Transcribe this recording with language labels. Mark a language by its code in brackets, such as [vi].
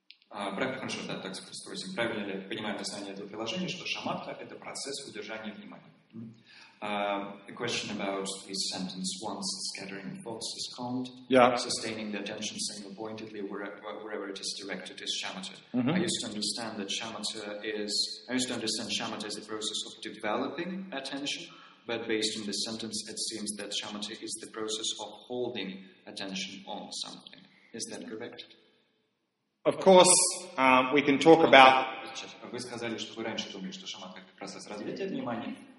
[ru] Хорошо, да, так спросим. Правильно ли я понимаю название этого приложения, что шаматха — это процесс удержания внимания? [en] A question about this sentence, once scattering thoughts is calmed, sustaining the attention single-pointedly wherever it is directed is shamatha. Mm-hmm. I used to understand shamatha is the process of developing attention, but based on this sentence, it seems that shamatha is the process of holding attention on something. Is that correct? Of course, we can talk about... [ru] Вы сказали, что вы раньше думали, что шамата — это процесс развития внимания.